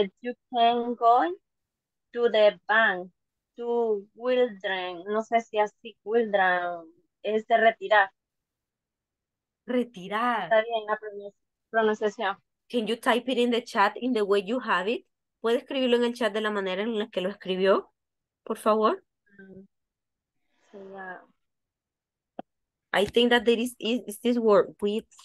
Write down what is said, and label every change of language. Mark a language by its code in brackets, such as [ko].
[en] You can go to the bank to withdraw. [es] No sé si así withdraw es de retirar. Retirar. Está bien la pronunciación. [en] Can you type it in the chat in the way you have it? [es] ¿Puede escribirlo en el chat de la manera en la que lo escribió? Por favor. [en] Yeah. I think that there is this word with.